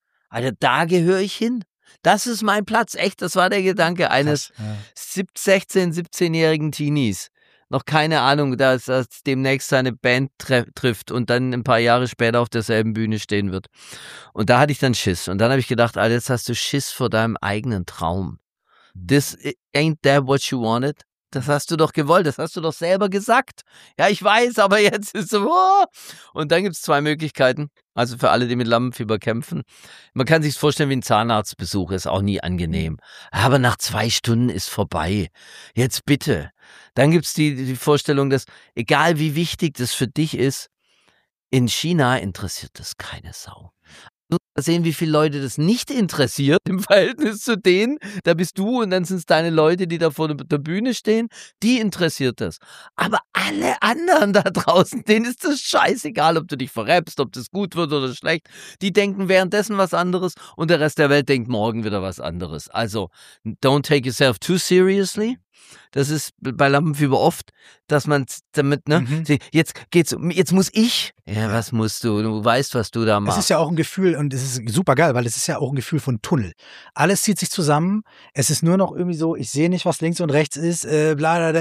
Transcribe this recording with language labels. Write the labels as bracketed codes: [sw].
[de] Alter, da gehöre ich hin. Das ist mein Platz. Echt, das war der Gedanke eines 16-, 17-jährigen Teenies. noch keine Ahnung, dass demnächst seine Band trifft und dann ein paar Jahre später auf derselben Bühne stehen wird. Und da hatte ich dann Schiss. Und dann habe ich gedacht, Alter, jetzt hast du Schiss vor deinem eigenen Traum. [en] This ain't that what you wanted? [de] Das hast du doch gewollt, das hast du doch selber gesagt. Ja, ich weiß, aber jetzt ist so. Oh. Und dann gibt es zwei Möglichkeiten. Also für alle, die mit Lampenfieber kämpfen. Man kann sich vorstellen wie ein Zahnarztbesuch, ist auch nie angenehm. Aber nach 2 Stunden ist vorbei. Jetzt bitte. Dann gibt es die Vorstellung, dass egal wie wichtig das für dich ist, in China interessiert das keine Sau. Mal sehen, wie viele Leute das nicht interessiert im Verhältnis zu denen. Da bist du und dann sind es deine Leute, die da vor der Bühne stehen. Die interessiert das. Aber alle anderen da draußen, denen ist das scheißegal, ob du dich verreppst, ob das gut wird oder schlecht. Die denken währenddessen was anderes und der Rest der Welt denkt morgen wieder was anderes. [en] Also, don't take yourself too seriously. [de] Das ist bei Lampenfieber oft, dass man damit, ne, jetzt geht's, jetzt muss ich. Ja, was musst du? Du weißt, was du da machst. Das ist ja auch ein Gefühl und es ist super geil, weil es ist ja auch ein Gefühl von Tunnel. Alles zieht sich zusammen. Es ist nur noch irgendwie so, ich sehe nicht, was links und rechts ist. Blablabla.